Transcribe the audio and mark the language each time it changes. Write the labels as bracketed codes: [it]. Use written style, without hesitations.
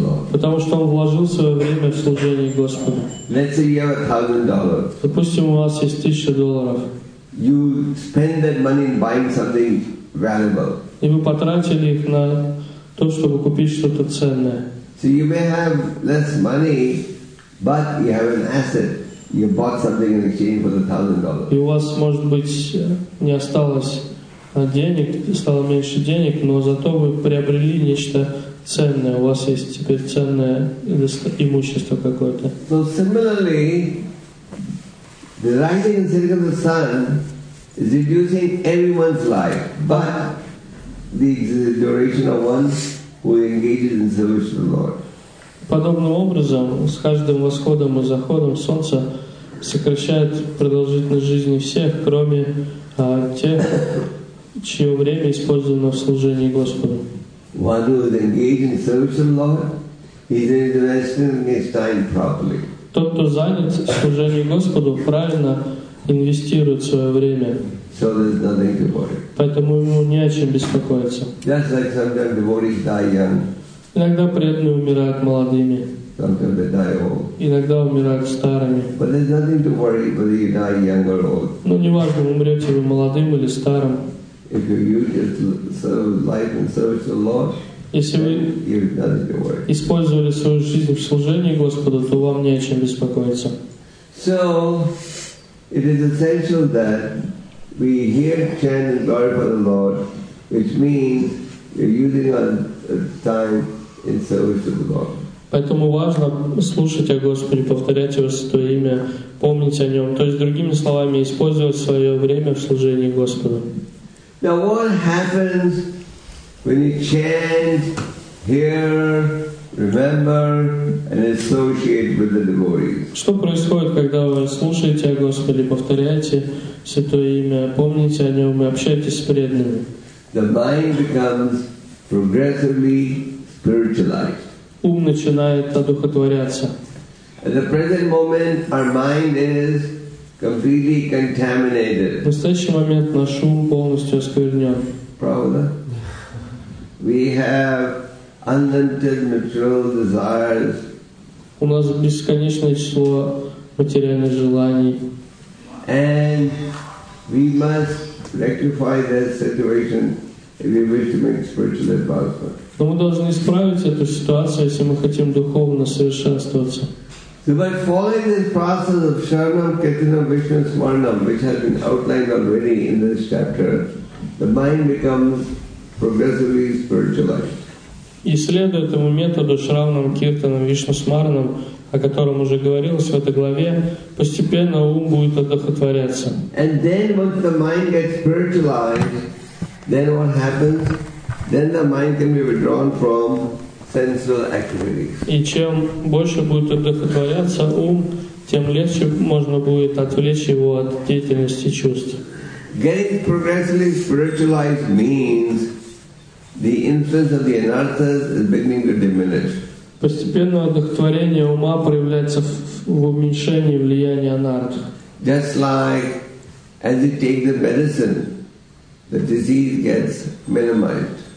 [ru] Потому что он вложил свое время в служение Господу. Допустим, у вас есть $1,000. [en] You spend that money in buying something valuable. [ru] И вы потратили их на то, чтобы купить что-то ценное. [en] So you may have less money, but you have an asset. You bought something in exchange for the $1,000. [ru] И у вас, может быть, не осталось денег, стало меньше денег, но зато вы приобрели нечто ценное. У вас есть теперь ценное имущество какое-то. [en] So similarly, the rising and setting of the sun is reducing everyone's life, but the duration of one who engages in service to the Lord. [ru] Подобным образом, с каждым восходом и заходом солнца сокращает продолжительность жизни всех, кроме тех, чье время использовано в служении Господу. [en] One who is engaged in service to the Lord is investing his time properly. [ru] Тот, кто занят служением Господу, правильно инвестирует свое время. [en] So there's nothing to worry. [ru] Поэтому ему не о чем беспокоиться. [en] Just like sometimes devotees die young. [ru] Иногда преданные умирают молодыми. [en] Sometimes they die old. [ru] Иногда умирают старыми. [en] But there's nothing to worry whether you die young or old. [ru] Но неважно, умрете вы молодым или старым. [en] If you use your life and service the Lord. [ru] Если вы использовали свою жизнь в служении Господу, то вам не о чем беспокоиться. [en] So, it is essential that we hear, chant, and glorify the Lord, which means we're using our time in service to the Lord. [ru] Поэтому важно слушать о Господе, повторять Его Святое Имя, помнить о Нем. То есть, другими словами, использовать свое время в служении Господу. [en] Now, what happens when you chant, hear, remember, and associate with the devotees? [ru] Что происходит, когда вы слушаете о Господе, повторяете Святое Имя, помните о Нем и общаетесь с преданными? [en] The mind becomes progressively spiritualized. [ru] Ум начинает одухотворяться. [en] At the present moment, our mind is completely contaminated. [ru] В настоящий момент наш ум полностью осквернен. Правда? [en] We have unlimited material desires. [ru] У нас бесконечное число материальных желаний. [en] And we must rectify that situation if we wish to make spiritual advancement. [ru] Но мы должны исправить эту ситуацию, если мы хотим духовно совершенствоваться. [en] So by following this process of Sharanam, Kirtanam, Vishnu, Smaranam, which has been outlined already in this chapter, the mind becomes progressively spiritualized. [ru] Исследуя этому методу Шравнам, Киртанам, Вишну Смаранам, о котором уже говорилось в этой главе, постепенно ум будет одухотворяться. [en] And then once the mind gets spiritualized, then what happens? Then the mind can be withdrawn from sensual activities. [ru] И чем больше будет одухотворяться ум, тем легче можно будет отвлечь его от деятельности чувств. [en] Getting progressively spiritualized means the influence of the anarthas is beginning to diminish. [ru] Постепенное одухотворение ума проявляется в уменьшении влияния анарт. [en] Just like as you take the medicine, the disease gets minimized.